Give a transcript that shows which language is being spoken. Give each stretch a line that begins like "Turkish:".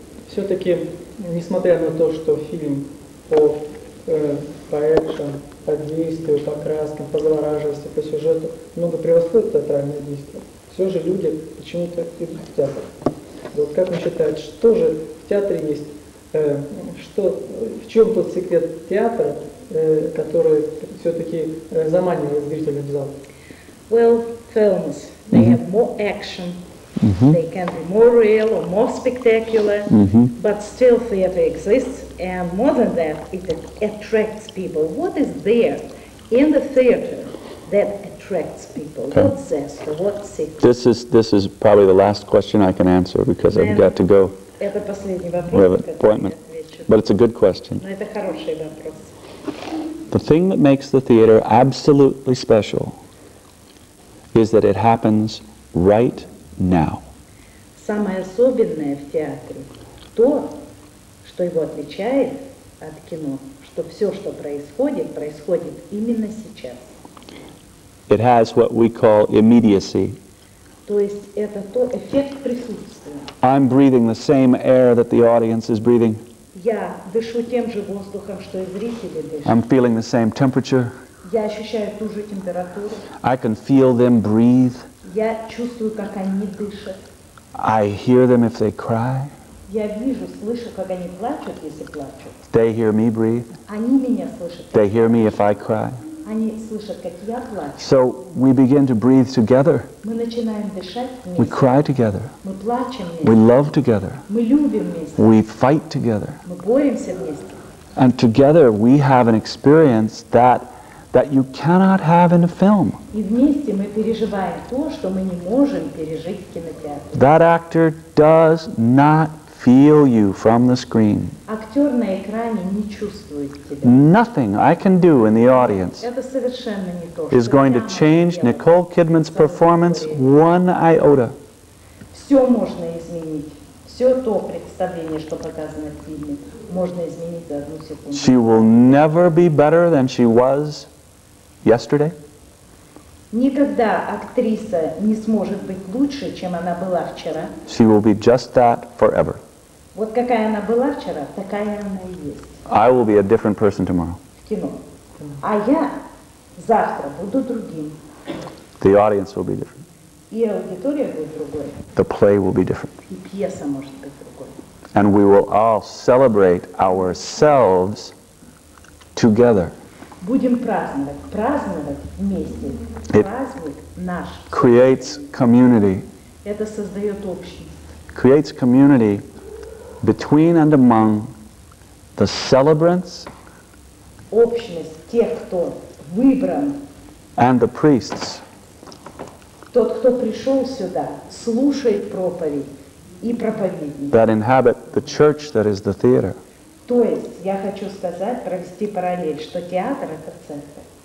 Russian: Все-таки, несмотря на то, что фильм по экшен, по действию, по краскам, по завораживанию, по сюжету, много превосходит театральное действие, все же люди почему-то идут в театр. Вот как вы считаете, что же в театре есть, в чем тот секрет театра, который все-таки заманивает зрителей в зал?
English: Well, films, they have more action. Mm-hmm. They can be more real or more spectacular, but still theater exists, and more than that, it attracts people. What is there in the theater that attracts people? Okay. What says, what secret? This is probably the last question I can answer because I've got to go.
Russian: Это последний вопрос.
English: We have an appointment. But it's a good question.
Russian: Но это хороший вопрос.
English: The thing that makes the theater absolutely special is that it happens right now.
Russian: Самое особенное в театре то, что его отличает от кино, что все, что происходит, происходит именно сейчас.
English: It has what we call immediacy.
Russian: То есть это то эффект присутствия.
English: I'm breathing the same air that the audience is breathing.
Russian: Я дышу тем же воздухом, что и зрители дышат.
English: I'm feeling the same temperature.
Russian: Я ощущаю ту же температуру.
English: I can feel them breathe.
Russian: Я чувствую, как они дышат.
English: I hear them if they cry.
Russian: Я вижу, слышу, как они плачут, если плачут.
English: They hear me breathe.
Russian: Они меня слышат.
English: They hear me if I cry.
Russian: Они слышат, как я плачу.
English: So we begin to breathe together.
Russian: Мы начинаем дышать вместе.
English: We cry together.
Russian: Мы плачем вместе.
English: We love together.
Russian: Мы любим вместе.
English: We fight together.
Russian: Мы боремся вместе.
English: And together we have an experience that that you cannot have in a film.
Russian: И вместе мы переживаем то, что мы не можем пережить в кинотеатре.
English: That actor does not feel you from the screen.
Russian: Актер на экране не чувствует тебя.
English: Nothing I can do in the audience
Russian: это совершенно не то,
English: is going to change Nicole Kidman's performance one iota.
Russian: Все можно изменить. Все то представление, что показано в фильме, можно изменить за одну секунду.
English: She will never be better than she was yesterday.
Russian: Никогда актриса не сможет быть лучше, чем она была вчера.
English: She will be just that forever.
Russian: Вот какая она была вчера, такая она и есть.
English: I will be a different person tomorrow.
Russian: В кино. А я завтра буду другим.
English: The audience will be different.
Russian: И аудитория будет другой.
English: The play will be different.
Russian: И пьеса может быть другой.
English: And we will all celebrate ourselves together.
Russian: Будем праздновать, праздновать вместе.
English: It
Russian: праздновать наш.
English: Creates community.
Russian: Это создает общность.
English: Creates community between and among the celebrants.
Russian: Общность тех, кто выбран.
English: And the priests.
Russian: Тот, кто пришел сюда, слушает проповедь и проповедник.
English: That inhabit the church that is the theater.
Russian: То есть, я хочу сказать, провести параллель, что театр — это церковь.